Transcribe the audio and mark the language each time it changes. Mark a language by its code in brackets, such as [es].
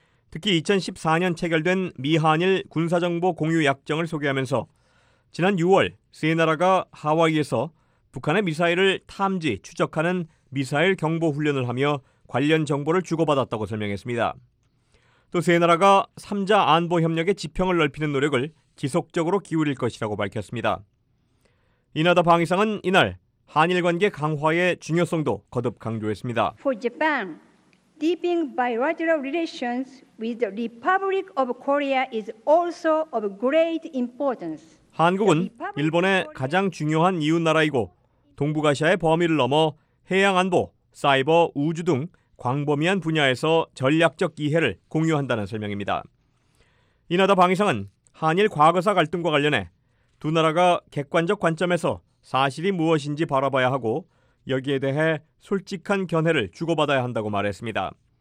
[ko] 특히 2014년 체결된 미한일 군사정보 공유 약정을 소개하면서 지난 6월 세 나라가 하와이에서 북한의 미사일을 탐지, 추적하는 미사일 경보 훈련을 하며 관련 정보를 주고받았다고 설명했습니다. 또 세 나라가 3자 안보 협력의 지평을 넓히는 노력을 지속적으로 기울일 것이라고 밝혔습니다. 이나다 방위상은 이날 한일 관계 강화의 중요성도 거듭 강조했습니다. [en] For Japan, deepening bilateral relations with the Republic of Korea is also of great importance. [ko] 한국은 일본의 가장 중요한 이웃 나라이고 동북아시아의 범위를 넘어 해양 안보, 사이버, 우주 등 광범위한 분야에서 전략적 이해를 공유한다는 설명입니다. 이나다 방위상은 한일 과거사 갈등과 관련해 두 나라가 객관적 관점에서 사실이 무엇인지 바라봐야 하고 여기에 대해 솔직한 견해를 주고받아야 한다고 말했습니다.